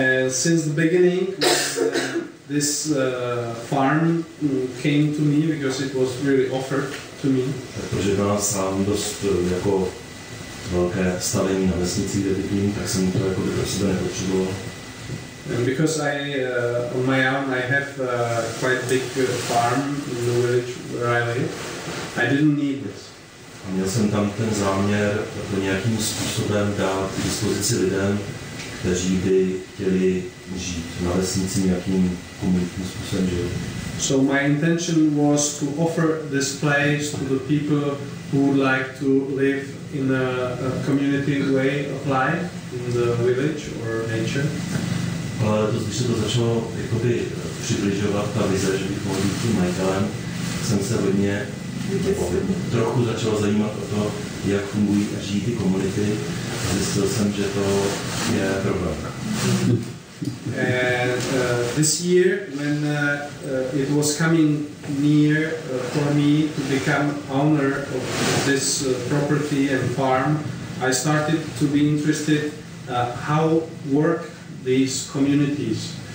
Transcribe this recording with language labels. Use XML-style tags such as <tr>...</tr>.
<en>since the beginning, this farm came to me because it was really offered to me.</en> <cs>Protože byl sám dost jako velké stavení na vesnici, kde bydlím, tak jsem to jako pro sebe nepotřeboval.</cs> <en>And because I on my own I have a quite big farm in the village where I live, I didn't need this.</en> <cs>A měl jsem tam ten záměr to nějakým způsobem dát k dispozici lidem, kteří by chtěli žít na vesnici nějakým komunitním způsobem.</cs> <en>So my intention was to offer this place to the people who would like to live in a community way of life in the village or nature.</en> <cs>Ale to, když se to začalo jakoby přibližovat, ta vize, že bych mohl být tím majitelem, jsem se hodně trochu začal zajímat o to, jak fungují a žijí ty komunity, a zjistil jsem, že to je problém.</cs> <en>And this year, when it was coming near for me to become owner of this property and farm, I started to be interested how work these communities</en>